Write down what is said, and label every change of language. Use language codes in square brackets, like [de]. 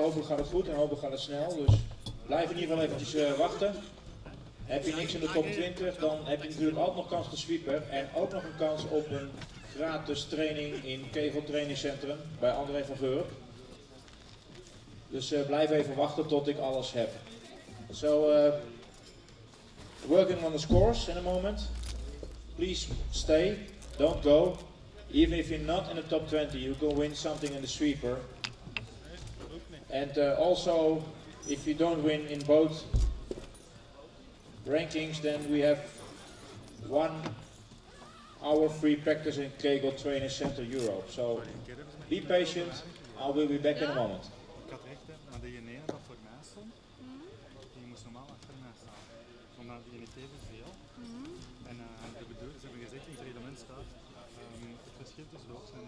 [nl] Hopelijk gaat het goed en hopelijk gaat het snel. Dus blijf in ieder geval eventjes wachten. Heb je niks in de top 20, dan heb je natuurlijk altijd nog kans te sweepen. En ook nog een kans op een gratis training in Kegel Training Centrum bij André van Geurk. Dus blijf even wachten tot ik alles heb. [en] So, working on the scores in a moment. Please stay, don't go. Even if you're not in the top 20, you can win something in the sweeper. And also, if you don't win in both rankings, then we have 1 hour free practice in Kegel Training Center Europe. So be patient, I will be back in a moment. [nl] Ik had recht, maar die ene dat voor mij stond, die moest normaal achter mij staan. Omdat die niet even veel. En ze hebben gezegd, in het reglement staat, het verschil tussen de hoogste en de